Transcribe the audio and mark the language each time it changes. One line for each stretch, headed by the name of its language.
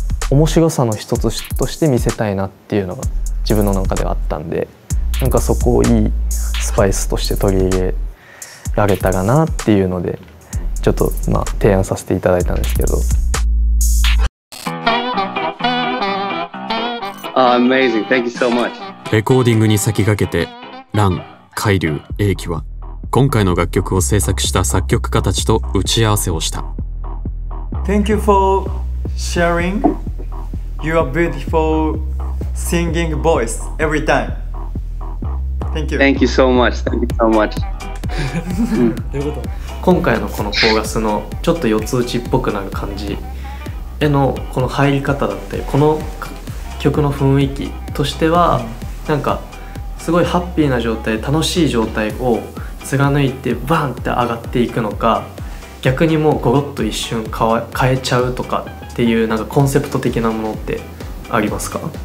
Japanese: 面白さの一つとして見せたいなっていうのが自分の中ではあったんで、なんかそこをいいスパイスとして取り入れられたらなっていうので、ちょっとまあ提案させていただいたんですけど。
English: Amazing. Thank you so much.
Japanese: レコーディングに先駆けて、ラン、カイリュー、エイキは今回の楽曲を制作した作曲家たちと打ち合わせをした。
English: Thank you for sharing your beautiful singing voice every time. Thank you. Thank you so much. Thank you so much.
Japanese: どういうこと？今回のこのコーラスのちょっと四つ打ちっぽくなる感じへのこの入り方だって、この曲の雰囲気としてはなんかすごいハッピーな状態、楽しい状態を貫いてバンって上がっていくのか、逆にもうゴロッと一瞬変えちゃうとかっていうなんかコンセプト的なものってありますか？